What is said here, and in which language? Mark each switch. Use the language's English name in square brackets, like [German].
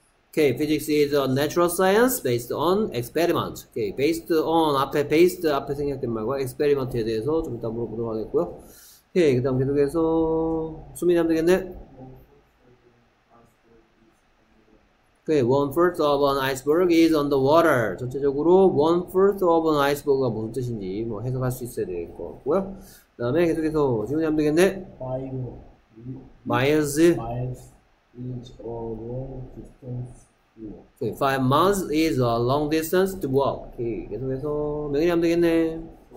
[English] 오케이. Physics is a natural science based on experiment. 오케이. [Korean] Based on, 앞에 based 앞에 생략된 말과 experiment에 대해서 좀 이따 물어보도록 하겠고요. 오케이. 그다음 계속해서 수민이 하면 되겠네. [English] 그 one fourth of an iceberg is on the water. [Korean] 전체적으로 [English] one fourth of an iceberg [Korean] 가 무슨 뜻인지 뭐 해석할 수 있어야 될것 같고요. 그다음에 계속해서 질문이 하면 되겠네. [English] miles is a long distance to walk. 그 5 miles is a long distance to walk. 오케이. [Korean] 계속해서 명인이 하면 되겠네.